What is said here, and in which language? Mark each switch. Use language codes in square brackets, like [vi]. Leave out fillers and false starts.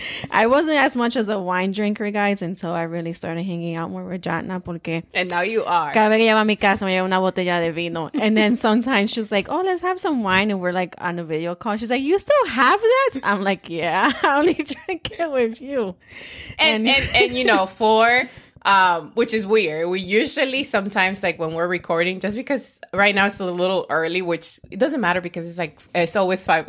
[en] I wasn't as much as a wine drinker, guys, until I really started hanging out more with Jana, [es] porque... [en] And now you are. [es] Cada vez que llevo a mi casa, me llevo una botella de vino. [en] And then sometimes she's like, oh, let's have some wine. And we're like on a video call. She's like, you still have that? I'm like, yeah, I only drink it with you. And you know, for... which is weird. We usually sometimes, like, when we're recording, just because right now it's a little early, which it doesn't matter because it's like, it's always five.